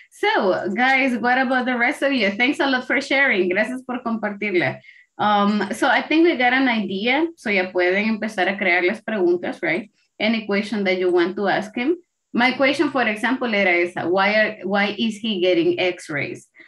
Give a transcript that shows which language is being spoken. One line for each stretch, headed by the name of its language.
English: So, guys, what about the rest of you? Thanks a lot for sharing.
Spanish: Gracias por compartirla.
English: So, I think we got an idea. So,
Spanish: ya pueden empezar a crear las preguntas,
English: right? Any question that you want to ask him. My question, for example,
Spanish: era esa.
English: Why is he getting x-rays?